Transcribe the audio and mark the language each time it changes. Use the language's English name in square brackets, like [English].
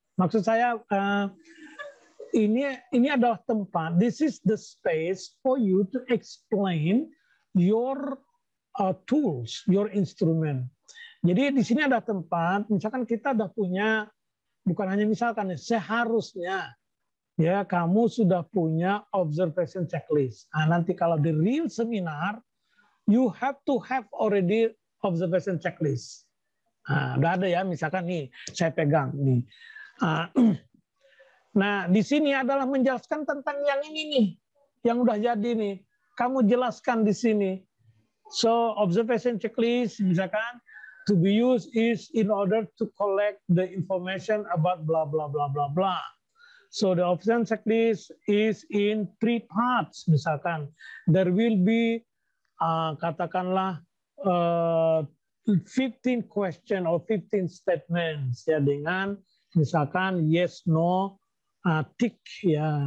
[Indonesian] Maksud saya ini adalah tempat. [English] This is the space for you to explain your tools, your instrument. [Indonesian] Jadi di sini ada tempat. Misalkan kita sudah punya. Bukan hanya misalkan, seharusnya ya kamu sudah punya observation checklist. Nah, nanti kalau di [English] real seminar, you have to have already observation checklist. [Indonesian] Nah, udah ada ya, misalkan nih, saya pegang nih. Nah, di sini adalah menjelaskan tentang yang ini nih, yang udah jadi nih. Kamu jelaskan di sini. [English] So, observation checklist, misalkan, to be used is in order to collect the information about blah, blah, blah, blah, blah. So the observation checklist is in three parts, misalkan. There will be, katakanlah, 15 questions or 15 statements, ya, [Indonesian] dengan misalkan [English] yes, no, tick, ya.